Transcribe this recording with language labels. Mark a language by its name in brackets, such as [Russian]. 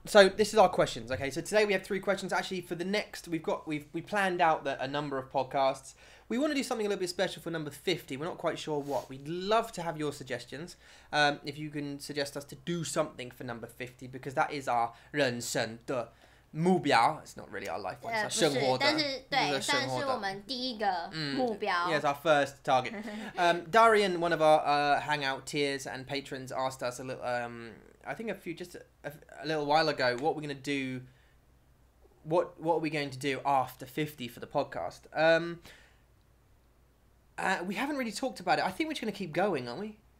[English] So this is our questions, okay? So today we have three questions. Actually, for the next, we planned out a number of podcasts. We want to do something a little bit special for number 50. We're not quite sure what. We'd love to have your suggestions. If you can suggest us to do something for number 50, because that is our [Chinese] 人生的目标. [English] It's not really our life, it's our [Chinese] 生活的。但是对，但是我们第一个目标。 [English] Yes, our first target. Darian, one of our hangout tiers and patrons, asked us a little, I think a little while ago, what we're going to do, what are we going to do after 50 for the podcast? We haven't really talked about it. I think we're just going to keep going, aren't we?